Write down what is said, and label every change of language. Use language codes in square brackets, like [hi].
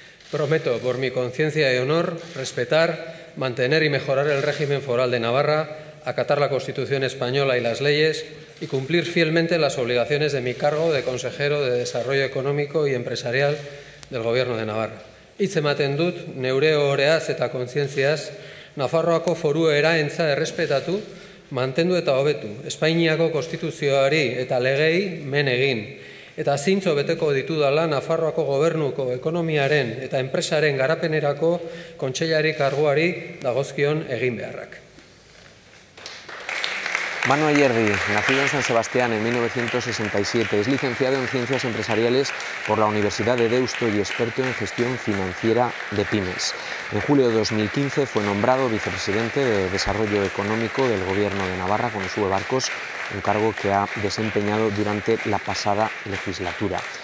[es] Prometo, por mi conciencia y honor, respetar, mantener y mejorar el régimen foral de Navarra, acatar la Constitución española y las leyes y cumplir fielmente las obligaciones de mi cargo de consejero de Desarrollo Económico y Empresarial del Gobierno de Navarra. [eu] Hitzematen dut, neure oreaz eta kontzientziaz, Nafarroako foru eraentza errespetatu, mantendu eta hobetu, Espainiako konstituzioari eta legei men egin, eta zintzo beteko ditudala Nafarroako gobernuko ekonomiaren eta enpresaren garapenerako kontseilari karguari dagozkion egin beharrak. [es] Manu Ayerdi, nacido en San Sebastián en 1967, es licenciado en Ciencias Empresariales por la Universidad de Deusto y experto en gestión financiera de pymes. En julio de 2015 fue nombrado vicepresidente de Desarrollo Económico del Gobierno de Navarra con Sue Barcos, un cargo que ha desempeñado durante la pasada legislatura.